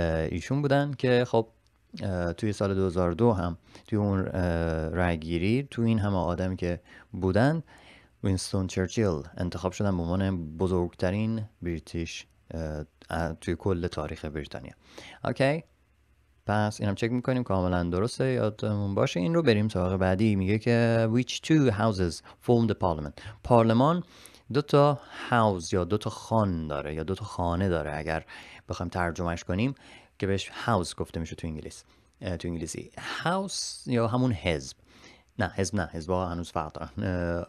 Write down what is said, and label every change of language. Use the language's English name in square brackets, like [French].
[Persian] ایشون بودن که خب توی سال 2002 هم توی اون رأی‌گیری توی این همه آدمی که بودن وینستون چرچیل انتخاب شدن به عنوان بزرگترین بریتیش توی کل تاریخ بریتانیا. اوکی، پس اینم چک میکنیم کاملا درسته، یادمون باشه. این رو بریم سراغ بعدی. میگه که [English] which two houses formed the parliament. [Persian] پارلمان دو تا هاوز یا دو تا خان داره یا دو تا خانه داره اگر بخوایم ترجمهش کنیم، که بهش هاوز گفته میشه تو انگلیس، تو انگلیسی هاوز یا همون حزب. نه حزب، نه حزب ها هنوز فرق دارن.